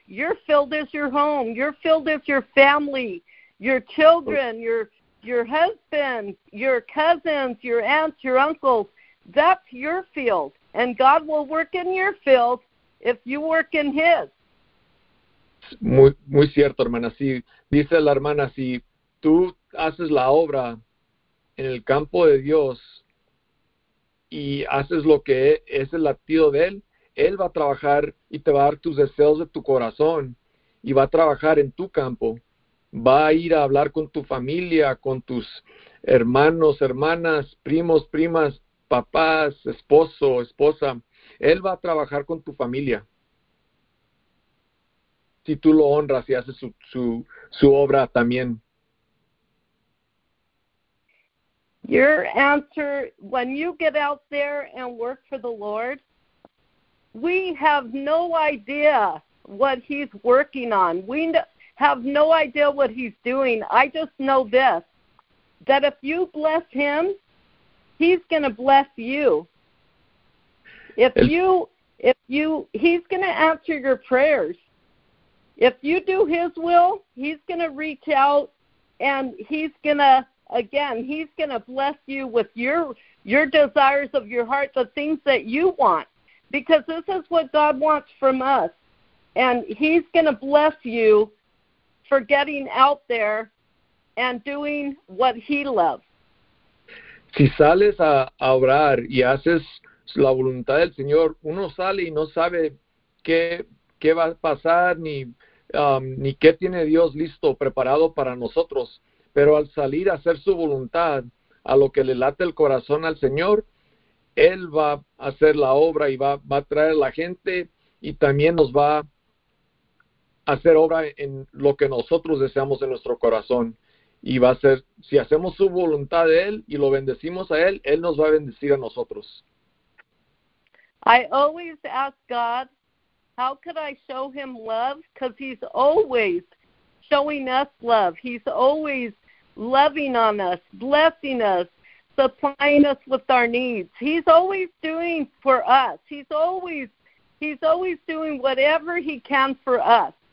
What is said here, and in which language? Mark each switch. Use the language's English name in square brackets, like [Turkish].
[English] Your field is your home. Your field is your family, your children, your husband, your cousins, your aunts, your uncles. That's your field, and God will work in your field if you work in his. [Spanish] Muy, muy cierto, hermana. Sí, dice la hermana, si tú haces la obra en el campo de Dios y haces lo que es el latido de él, él va a trabajar y te va a dar tus deseos de tu corazón y va a trabajar en tu campo. Va a ir a hablar con tu familia, con tus hermanos, hermanas, primos, primas, papás, esposo, esposa. Él va a trabajar con tu familia si tú lo honras y haces su obra también. [English] Your answer, when you get out there and work for the Lord, we have no idea what he's working on. We have no idea what he's doing. I just know this, that if you bless him, he's going to bless you. If you If you, he's going to answer your prayers. If you do his will, he's going to reach out and he's going to, again, he's going to bless you with your desires of your heart, the things that you want, because this is what God wants from us. And he's going to bless you for getting out there and doing what he loves. [Spanish] Si sales a orar y haces la voluntad del Señor, uno sale y no sabe qué va a pasar ni qué tiene Dios listo, preparado para nosotros. Pero al salir a hacer su voluntad, a lo que le late el corazón al Señor, él va a hacer la obra y va a traer a la gente y también nos va a hacer obra en lo que nosotros deseamos en nuestro corazón. Y va a ser, si hacemos su voluntad de él y lo bendecimos a él, él nos va a bendecir a nosotros. [English] I always ask God, how could I show him love? Because he's always showing us love. He's always loving on us, blessing us, supplying us with our needs. He's always doing for us. He's always doing whatever he can for us.